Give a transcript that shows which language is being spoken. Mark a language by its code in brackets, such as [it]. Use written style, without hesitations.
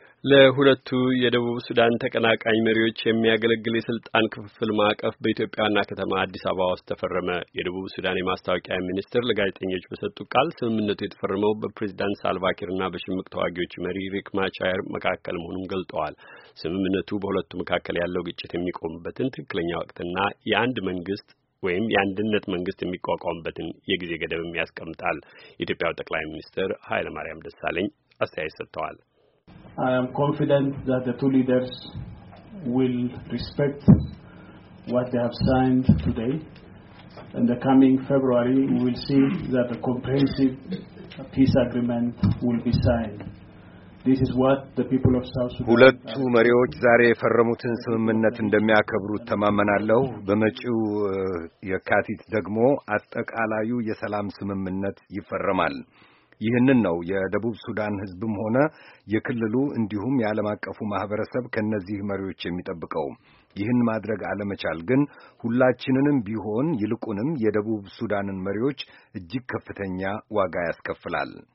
[am] ለሁለቱ የደቡብ ሱዳን ተቀናቃኝ መሪዎች የሚያገለግል የስልጣን ክፍፍል ማዕቀፍ በኢትዮጵያና ከተማ አዲስ አበባ ውስጥ ተፈረመ። የደቡብ ሱዳን የማስታወቂያ ሚኒስትር ለጋዜጠኞች በሰጡት ቃል ስምምነቱ የተፈረመው በፕሬዝዳንት ሳልቫኪርና በሽምቅ ተዋጊዎች መሪ ሪክ ማቻየር መካከል መሆኑን ገልጠዋል። ስምምነቱ በሁለቱ መካከል ያለው ግጭት የሚቆምበትን ትክክለኛ ወቅትና የአንድ መንግስት ወይም የአንድነት መንግስት የሚቋቋምበትን የጊዜ ገደብም ያስቀምጣል። የኢትዮጵያው ጠቅላይ ሚኒስትር ኃይለ ማርያም ደሳለኝ አስተያየት ሰጥተዋል። [en] I am confident that the two leaders will respect what they have signed today. In the coming February, we will see that a comprehensive peace agreement will be signed. This is what the people of South Sudan. [am] ሁለቱ መሪዎች ዛሬ የፈረሙትን ስምምነት እንደሚያከብሩት ተማመናለሁ። በመጪው የካቲት ደግሞ አጠቃላዩ የሰላም ስምምነት ይፈረማል። ይህንን ነው የደቡብ ሱዳን ህዝብም ሆነ የክልሉ እንዲሁም የዓለም አቀፉ ማህበረሰብ ከነዚህ መሪዎች የሚጠብቀው። ይህን ማድረግ አለመቻል ግን ሁላችንንም ቢሆን ይልቁንም የደቡብ ሱዳንን መሪዎች እጅግ ከፍተኛ ዋጋ ያስከፍላል።